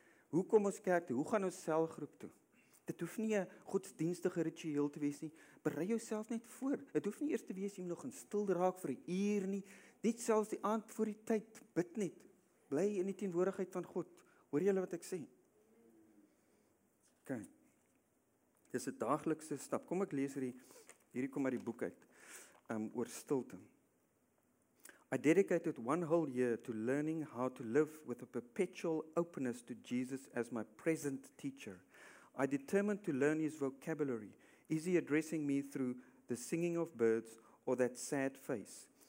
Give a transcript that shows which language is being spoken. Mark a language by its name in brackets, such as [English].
[Afrikaans] Hoe kom ons kerk toe? Hoe gaan ons selgroep toe? Dit hoef nie 'n godsdienstige ritueel te wees nie. Berei jouself net voor. Dit hoef nie eers te wees jy moet nog in stil raak vir 'n uur nie. Niet selfs die aand voor die tyd, bid net. Bly in die teenwoordigheid van God. Hoor jy wat ek sê? Okay. Dis 'n daaglikse stap. Kom ek lees hierdie kom uit die boek uit. Oor stilte. [English] I dedicated one whole year to learning how to live with a perpetual openness to Jesus as my present teacher. I determined to learn his vocabulary. Is he addressing me through the singing of birds or that sad face?